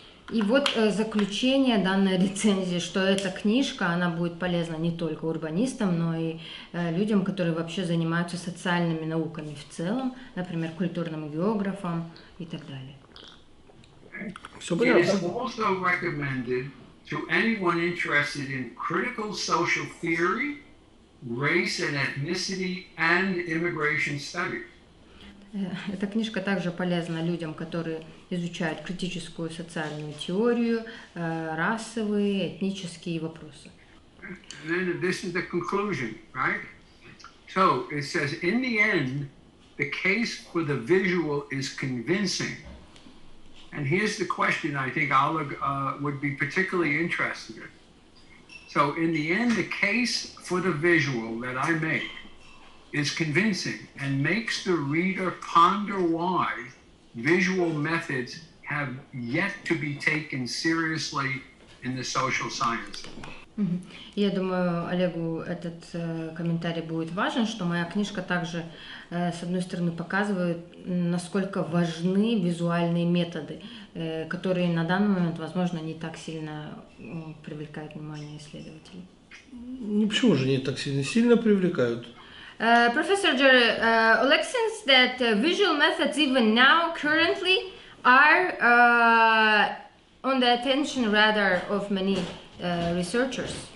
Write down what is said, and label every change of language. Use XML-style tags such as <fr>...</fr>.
<ru>И вот заключение данной рецензии, что эта книжка, она будет полезна не только урбанистам, но и людям, которые вообще занимаются социальными науками в целом, например, культурным географам и так далее. Все понятно.</ru> <en>It is also recommended to anyone interested in critical social theory, race and ethnicity, and immigration studies.</en> <ru>Эта книжка также полезна людям, которые изучают критическую социальную теорию, расовые, этнические вопросы.</ru> <en>And then this is the conclusion, right? So it says, in the end, the case for the visual is convincing. And here's the question I think Oleg would be particularly interested in. So in the end, the case for the visual that I make is convincing and makes the reader ponder why visual methods have yet to be taken seriously in the social sciences.</en> <ru>Я думаю, Олегу этот комментарий будет важен, что моя книжка также, с одной стороны, показывает, насколько важны визуальные методы, которые на данный момент, возможно, не так сильно привлекают внимание исследователей. Ну, почему же не так сильно привлекают?</ru> <en>Professor Jerry, Oleg says that visual methods even now currently are on the attention radar of many researchers.</en>